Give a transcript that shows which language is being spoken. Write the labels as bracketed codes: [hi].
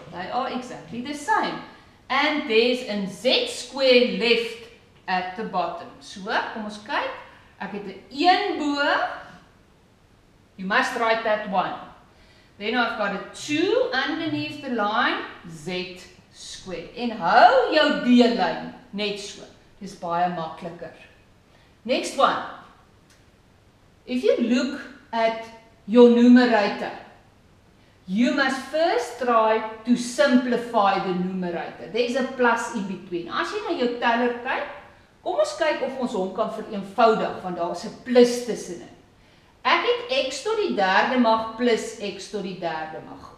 [en] They are exactly the same. And there's a z squared left at the bottom. [af] So, kom ons kyk. Ek het 1 bo. [en] You must write that one. Then I've got a 2 underneath the line, z squared. [af] En hou jou deellijn net so. Dis baie makkeliker. [en] Next one. If you look at your numerator, you must first try to simplify the numerator. There is a plus in between. [af] As jy na jou teller kyk, kom ons kyk of ons hom kan vereenvoudig, want daar is 'n plus tussenin. Ek het x tot die derde mag plus x tot die derde mag.